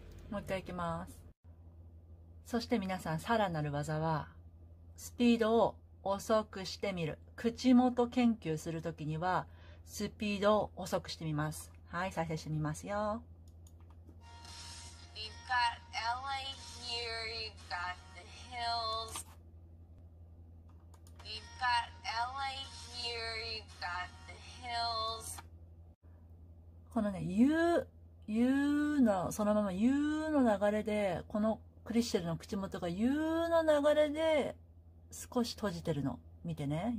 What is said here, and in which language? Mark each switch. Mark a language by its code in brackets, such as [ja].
[ja] もう一回行きます。そして皆さん、さらなる技はスピードを遅くしてみる。口元研究するときにはスピードを遅くしてみます。はい、再生してみますよ。 [en] We've got LA here, you've got the hills. We've got LA here, you've got the hills. [ja] このね、言うのそのまま言うの流れで、このクリシェルの口元が言うの流れで少し閉じてるの見てね。